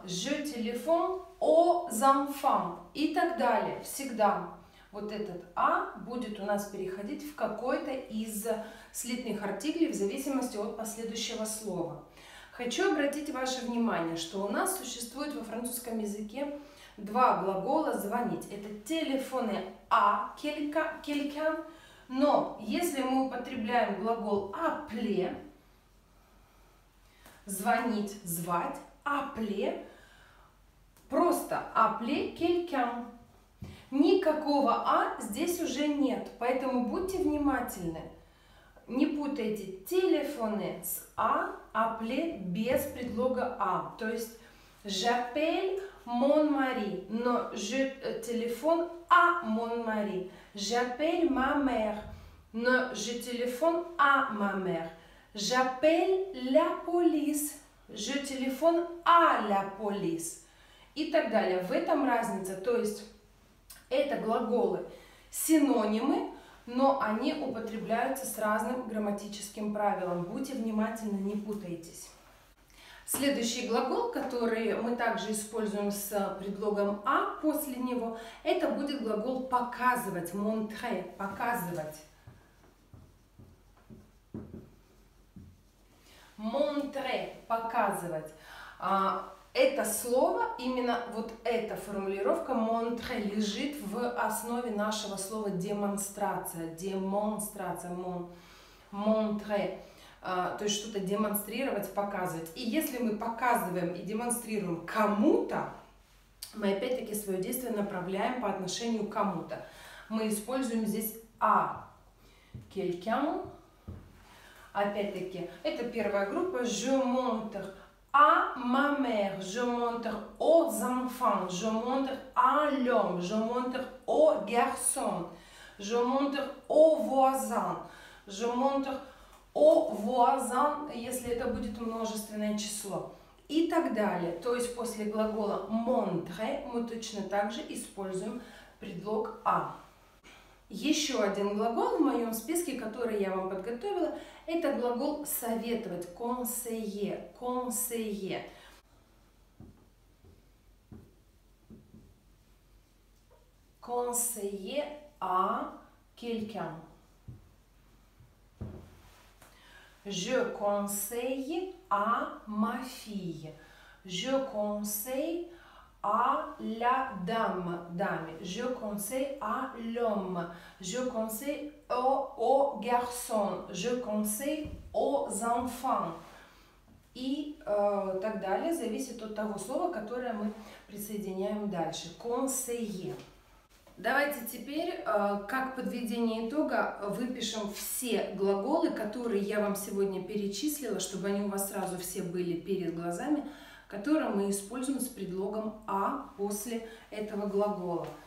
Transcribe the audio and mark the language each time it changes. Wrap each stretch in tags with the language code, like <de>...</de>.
<fr>Je téléphone aux enfants.</fr> <ru>И так далее. Всегда вот этот «а» будет у нас переходить в какой-то из слитных артиклей в зависимости от последующего слова. Хочу обратить ваше внимание, что у нас существует во французском языке два глагола «звонить». Это</ru> <fr>«телефоне à quelqu'un».</fr> <ru>Но если мы употребляем глагол «appeler», «звонить», «звать»,</ru> <fr>appelé,</fr> <ru>просто</ru> <fr>appelé quelqu'un.</fr> <ru>Никакого «а» здесь уже нет, поэтому будьте внимательны. Не путайте телефоне с «а», appelé без предлога «а». То есть</ru> <fr>j'appelle mon mari,</fr> <ru>но</ru> <fr>je téléphone à mon mari. J'appelle ma mère,</fr> <ru>но</ru> <fr>je téléphone à ma mère. J'appelle la police, je téléphone à la police.</fr> <ru>И так далее. В этом разница, то есть... Это глаголы синонимы, но они употребляются с разным грамматическим правилом. Будьте внимательны, не путайтесь. Следующий глагол, который мы также используем с предлогом «а» после него, это будет глагол «показывать», «montrer», «показывать». «Montrer», «показывать». Это слово, именно вот эта формулировка «montre» лежит в основе нашего слова «демонстрация». «Демонстрация», «montre», то есть что-то демонстрировать, показывать. И если мы показываем и демонстрируем кому-то, мы опять-таки свое действие направляем по отношению к кому-то. Мы используем здесь «а». «Quelqu'un». Опять-таки, это первая группа</ru> <fr>«je montre». À ma mère, je montre aux enfants, je montre à l'homme, je montre aux garçons, je montre aux voisins, je montre aux voisins,</fr> <ru>если это будет множественное число, и так далее. То есть после глагола montrer мы точно так же используем предлог à. Еще один глагол в моем списке, который я вам подготовила, это глагол советовать, conseiller, conseiller.</ru> <fr>Conseiller à quelqu'un. Je conseille à ma fille. Je conseille à la dame, dame. Je conseille à l'homme. Je conseille au garçon. Je conseille aux enfants.</fr> <ru>И так далее, зависит от того слова, которое мы присоединяем дальше.</ru> <fr>Conseiller.</fr> <ru>Давайте теперь, как подведение итога, выпишем все глаголы, которые я вам сегодня перечислила, чтобы они у вас сразу все были перед глазами, которые мы используем с предлогом «а» после этого глагола.</ru>